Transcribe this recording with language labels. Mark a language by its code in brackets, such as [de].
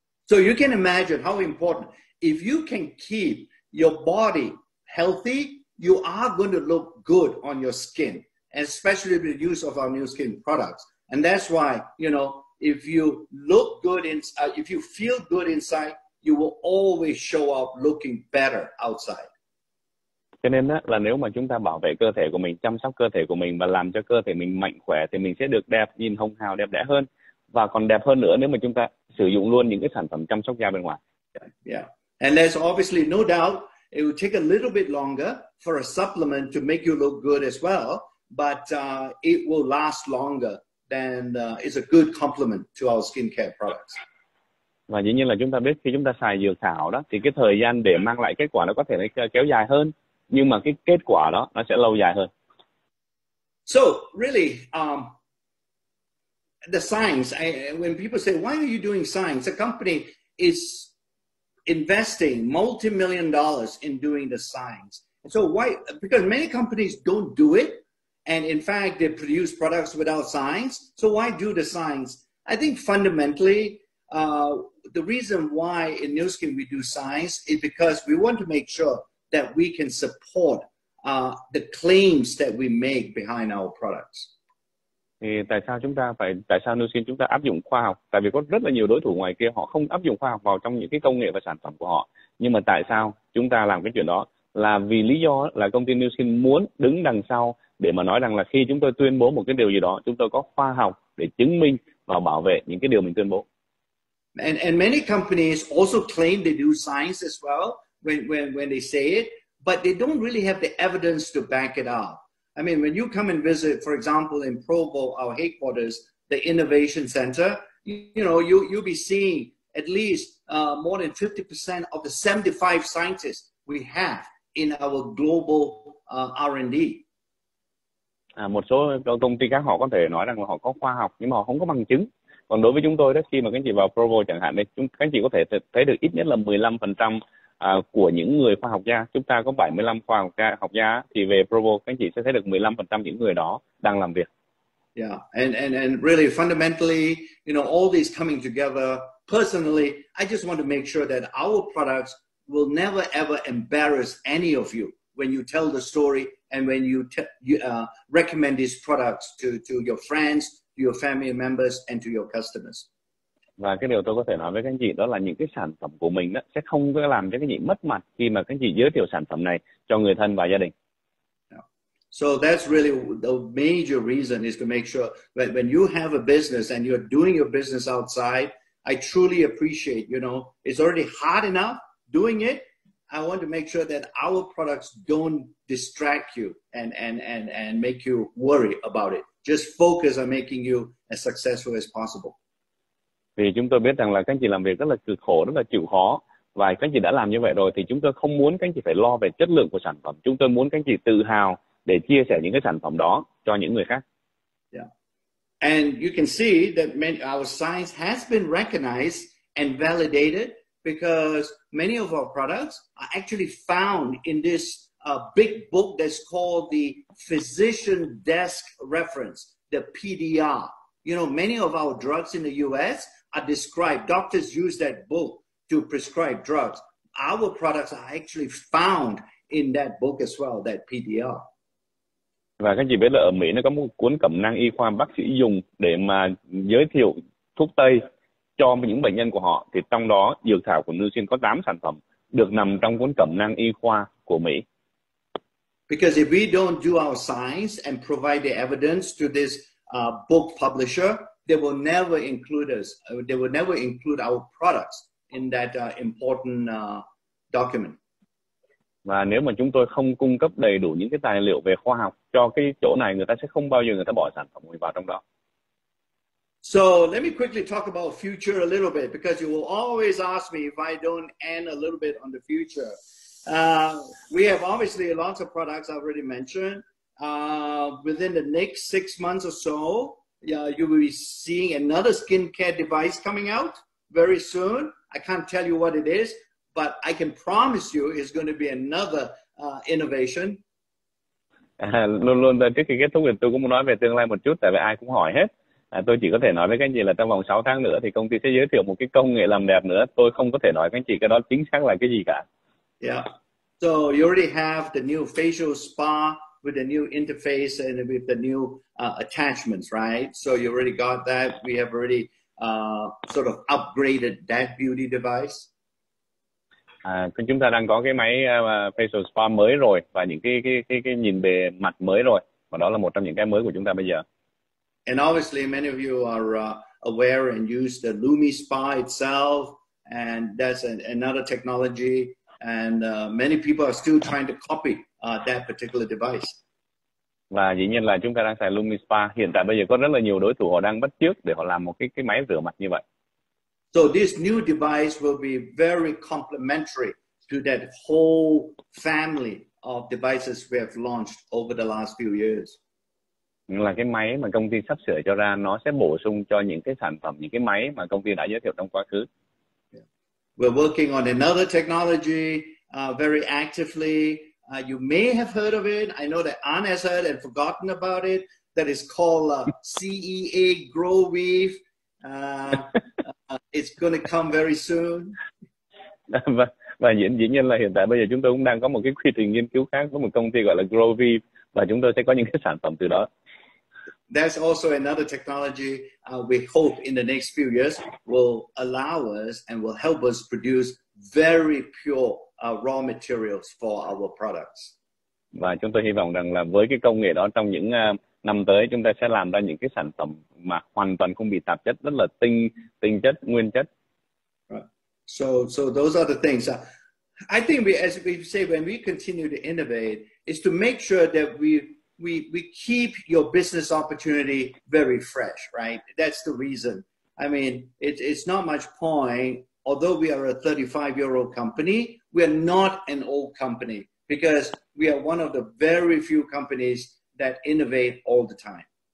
[en] So you can imagine how important. If you can keep your body healthy, you are going to look good on your skin, especially with the use of our new skin products. And that's why, you know, if you look good inside, if you feel good inside, you will always show up looking better outside. [vi] Cho nên đó, là nếu mà chúng ta bảo vệ cơ thể của mình, chăm sóc cơ thể của mình và làm cho cơ thể mình mạnh khỏe thì mình sẽ được đẹp, nhìn hồng hào đẹp đẽ hơn. Và còn đẹp hơn nữa nếu mà chúng ta sử dụng luôn những cái sản phẩm chăm sóc da bên ngoài. [en] Yeah. And there's obviously no doubt it will take a little bit longer for a supplement to make you look good as well, but it will last longer than is a good complement to our skincare products. [vi] Và dĩ nhiên là chúng ta biết khi chúng ta xài dược thảo đó thì cái thời gian để mang lại kết quả nó có thể nó kéo dài hơn, nhưng mà cái kết quả đó nó sẽ lâu dài hơn. [en] So really, the science, when people say, why are you doing science? A company is investing multi-million dollars in doing the science. So why? Because many companies don't do it, and in fact, they produce products without science. So why do the science? I think fundamentally, the reason why in Nu Skin we do science is because we want to make sure that we can support the claims that we make behind our products. [vi] Thì tại sao Nu Skin chúng ta áp dụng khoa học? Tại vì có rất là nhiều đối thủ ngoài kia họ không áp dụng khoa học vào trong những cái công nghệ và sản phẩm của họ. Nhưng mà tại sao chúng ta làm cái chuyện đó? Là vì lý do là công ty Nu Skin muốn đứng đằng sau để mà nói rằng là khi chúng tôi tuyên bố một cái điều gì đó, chúng tôi có khoa học để chứng minh và bảo vệ những cái điều mình tuyên bố. [en] And many companies also claim they do science as well when they say it, but they don't really have the evidence to back it up. I mean, when you come and visit, for example, in Provo, our headquarters, the Innovation Center, you know, you'll be seeing at least more than 50% of the 75 scientists we have in our global R&D. [vi] À, một số công ty khác họ có thể nói rằng là họ có khoa học nhưng mà họ không có bằng chứng. Còn đối với chúng tôi đó, khi mà các anh chị vào Provo chẳng hạn đây, các anh chị có thể thấy được ít nhất là 15% của những người khoa học gia. Chúng ta có 75 khoa học gia thì về Provo các anh chị sẽ thấy được 15% những người đó đang làm việc. [en] Yeah, and really fundamentally, you know, all these coming together, personally, I just want to make sure that our products will never ever embarrass any of you when you tell the story and when you recommend these products to your friends, to your family members and to your customers. [vi] Và cái điều tôi có thể nói với các anh chị đó là những cái sản phẩm của mình đó sẽ không có làm cho các anh chị mất mặt khi mà các anh chị giới thiệu sản phẩm này cho người thân và gia đình. [en] So that's really the major reason is to make sure that when you have a business and you're doing your business outside, I truly appreciate, you know, it's already hard enough doing it. I want to make sure that our products don't distract you and make you worry about it. Just focus on making you as successful as possible. [vi] Vì chúng tôi biết rằng là các anh chị làm việc rất là cực khổ, rất là chịu khó. Và các anh chị đã làm như vậy rồi thì chúng tôi không muốn các anh chị phải lo về chất lượng của sản phẩm. Chúng tôi muốn các anh chị tự hào để chia sẻ những cái sản phẩm đó cho những người khác. [en] Yeah. And you can see that many, our science has been recognized and validated because many of our products are actually found in this big book that's called the Physician Desk Reference, the PDR. You know, many of our drugs in the US are described. Doctors use that book to prescribe drugs. Our products are actually found in that book as well, that PDR. [vi] Và các chị biết là ở Mỹ nó có một cuốn cẩm nang y khoa bác sĩ dùng để mà giới thiệu thuốc Tây cho những bệnh nhân của họ. Thì trong đó dược thảo của Nguyên có 8 sản phẩm được nằm trong cuốn cẩm nang y khoa của Mỹ. [en] Because if we don't do our science and provide the evidence to this book publisher, they will never include us. They will never include our products in that important document. [vi] Và nếu mà chúng tôi không cung cấp đầy đủ những cái tài liệu về khoa học cho cái chỗ này, người ta sẽ không bao giờ người ta bỏ sản phẩm vào trong đó. [en] So let me quickly talk about future a little bit because you will always ask me if I don't end a little bit on the future. We have obviously lots of products I've already mentioned. Within the next 6 months or so, you will be seeing another skincare device coming out very soon. I can't tell you what it is, but I can promise you it's going to be another innovation. [vi] Luôn luôn trước khi kết thúc thì tôi cũng muốn nói về tương lai một chút, tại vì ai cũng hỏi hết. Tôi chỉ có thể nói với các anh chị là trong vòng 6 tháng nữa thì công ty sẽ giới thiệu một cái công nghệ làm đẹp nữa. Tôi không có thể nói với các anh chị cái đó chính xác là cái gì cả. [en] Yeah. So you already have the new facial spa with the new interface and with the new attachments, right? So you already got that. We have already sort of upgraded that beauty device. [vi] Chúng ta đang có cái máy facial spa mới rồi và những cái nhìn bề mặt mới rồi, và đó là một trong những cái mới của chúng ta bây giờ. [en] And obviously many of you are aware and use the Lumi spa itself, and that's another technology, and many people are still trying to copy that particular device. [vi] Và dĩ nhiên là chúng ta đang xài Lumi spa, hiện tại bây giờ có rất là nhiều đối thủ họ đang bắt chước để họ làm một cái máy rửa mặt như vậy. [en] So this new device will be very complementary to that whole family of devices we have launched over the last few years. [vi] Là cái máy mà công ty sắp sửa cho ra, nó sẽ bổ sung cho những cái sản phẩm, những cái máy mà công ty đã giới thiệu trong quá khứ. [en] Yeah. We're working on another technology very actively. You may have heard of it. I know that Anne has heard and forgotten about it. That is called CEA Grow Weave. It's going to come very soon. [vi] Và dĩ nhiên là hiện tại bây giờ chúng tôi cũng đang có một cái quy trình nghiên cứu khác với một công ty gọi là Grow, và chúng tôi sẽ có những cái sản phẩm từ đó. [en] That's also another technology we hope in the next few years will allow us and will help us produce very pure raw materials for our products. [vi] Và chúng tôi hy vọng rằng là với cái công nghệ đó, trong những năm tới chúng ta sẽ làm ra những cái sản phẩm mà hoàn toàn không bị tạp chất, rất là tinh chất, nguyên chất. [en] Right. So those are the things. I think as we say when we continue to innovate is to make sure that we keep your business opportunity very fresh, right? That's the reason I mean, it's not much point. Although we are a 35-year-old company, we are not an old company because we are one of the very few companies that innovate all the time.